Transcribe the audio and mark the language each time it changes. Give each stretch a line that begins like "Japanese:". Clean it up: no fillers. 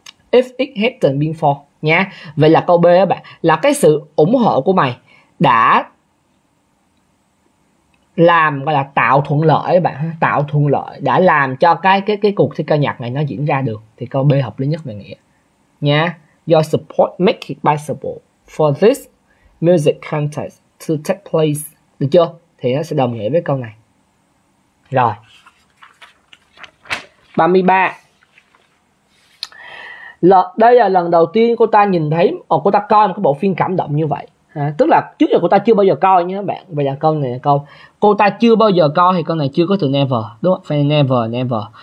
English: If it hadn't been for
Vietnamese: nha. Vậy là câu B đó bạn, là cái sự ủng hộ của mày đã làm gọi là tạo thuận lợi bạn, tạo thuận lợi đã làm cho cái cuộc thi ca nhạc này nó diễn ra được, thì câu B hợp lý nhất về nghĩa nha.
English: Your support make it possible for this music contest to take place.
Vietnamese: Được chưa? Thì nó sẽ đồng nghĩa với câu này. Rồi. 33. Đây là lần đầu tiên cô ta nhìn thấy, cô ta coi một cái bộ phim cảm động như vậy. À, tức là trước giờ cô ta chưa bao giờ coi nhé bạn. Vậy là câu này là câu cô ta chưa bao giờ coi, thì câu này chưa có từ never đúng không? Phải never never.